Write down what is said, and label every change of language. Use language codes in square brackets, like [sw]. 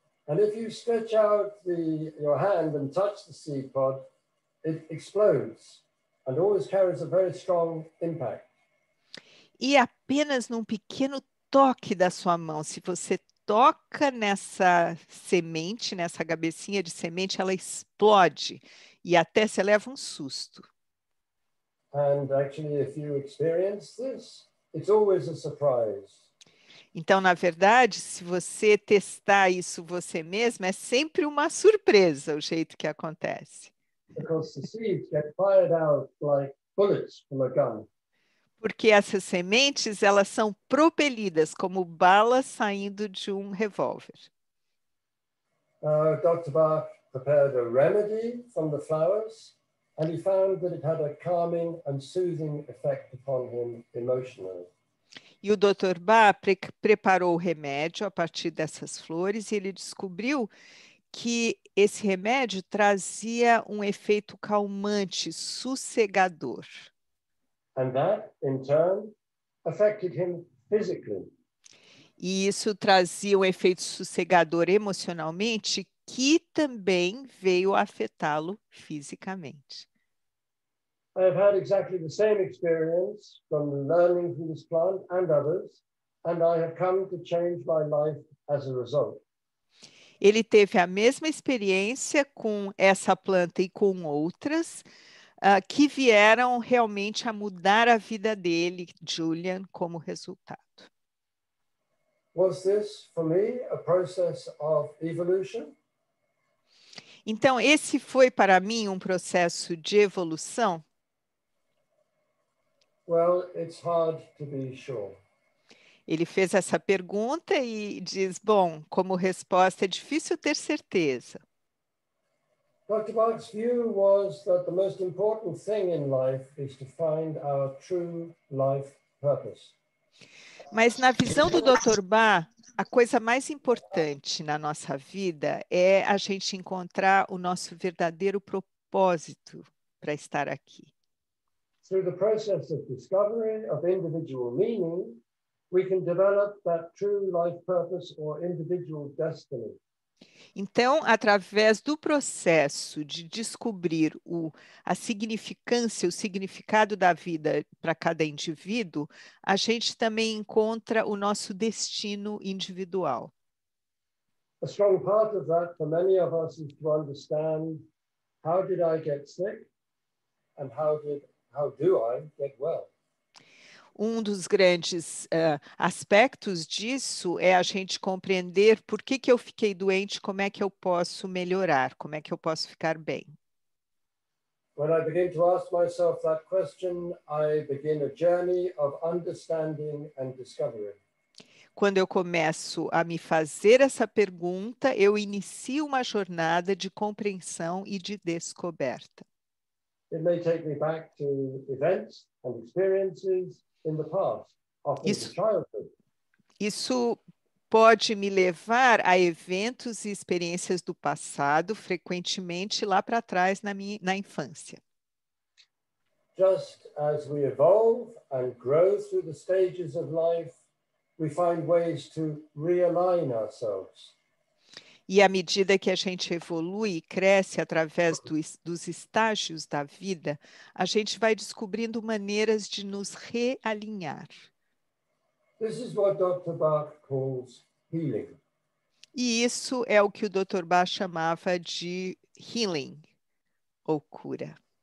[en] And if you stretch out your hand and touch the seed pod, it explodes and always carries a very strong impact. [pt] E apenas num pequeno toque da sua mão, se você toca nessa semente, nessa cabecinha de semente, ela explode e até se leva um susto. [en] And actually, if you experience this, it's always a surprise. [pt] Então, na verdade, se você testar isso você mesmo, é sempre uma surpresa o jeito que acontece. [en] Because the seeds get fired out like bullets from a gun. [pt] Porque essas sementes, elas são propelidas como balas saindo de um revólver. [en] Dr. Bach prepared a remedy from the flowers, and he found that it had a calming and soothing effect upon him emotionally. [pt] E o Dr. Bach preparou o remédio a partir dessas flores, e ele descobriu que esse remédio trazia um efeito calmante, sossegador. [en] And that, in turn, affected him physically. [pt] E isso trazia um efeito sossegador emocionalmente, que também veio afetá-lo fisicamente. [en] I've had exactly the same experience from learning from this plant and others, and I have come to change my life as a result. [pt] Ele teve a mesma experiência com essa planta e com outras, que vieram realmente a mudar a vida dele, Julian, como resultado. [en] Was this, for me, a process of evolution? [pt] Então, esse foi para mim um processo de evolução? [en] Well, it's hard to be sure. [pt] Ele fez essa pergunta e diz, bom, como resposta, é difícil ter certeza. [en] Dr. Bach's view was that the most important thing in life is to find our true life purpose. [pt] Mas na visão do Dr. Bach, a coisa mais importante na nossa vida é a gente encontrar o nosso verdadeiro propósito para estar aqui. [en] Through the process of discovery of individual meaning, we can develop that true life purpose or individual destiny. [pt] Então, através do processo de descobrir a significância, o significado da vida para cada indivíduo, a gente também encontra o nosso destino individual. [en] A strong part of that for many of us is to understand how did I get sick and how do I get well? [pt] Um dos grandes aspectos disso é a gente compreender por que que eu fiquei doente, como é que eu posso melhorar, como é que eu posso ficar bem. [en] When I begin to ask myself that question, I begin a journey of understanding and discovery. [pt] Quando eu começo a me fazer essa pergunta, eu inicio uma jornada de compreensão e de descoberta. [en] It may take me back to events and experiences in the past, often [pt] isso, [en] childhood. [pt] Isso pode me levar a eventos e experiências do passado, frequentemente lá para trás na infância. [en] Just as we evolve and grow through the stages of life, we find ways to realign ourselves. [pt] E à medida que a gente evolui e cresce através dos estágios da vida, a gente vai descobrindo maneiras de nos realinhar. [en] This is what Dr. Bach calls healing. [pt] E isso é o que o Dr. Bach chamava de healing, ou cura.